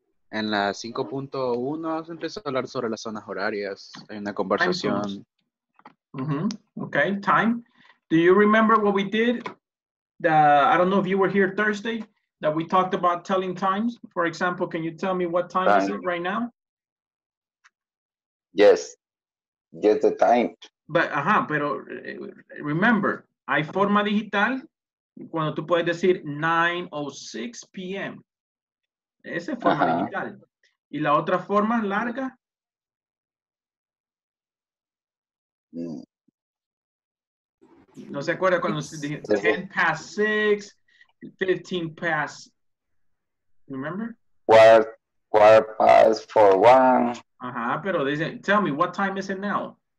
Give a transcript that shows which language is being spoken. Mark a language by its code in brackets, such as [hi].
[es] En la 5.1 se empezó a hablar sobre las zonas horarias. Hay una conversación. [en] Time. Okay, time. Do you remember what we did I don't know if you were here Thursday, that we talked about telling times. For example, can you tell me what time is it right now? Yes, get the time. [es] But, ajá, pero remember, hay forma digital cuando tú puedes decir 9:06 p.m. Esa es forma digital. Y la otra forma larga. No se acuerda cuando se dice [en] 10 past 6, 15 past. Remember? Quarter past 4:01. [es] Ajá, pero dice, [en] tell me, what time is it now?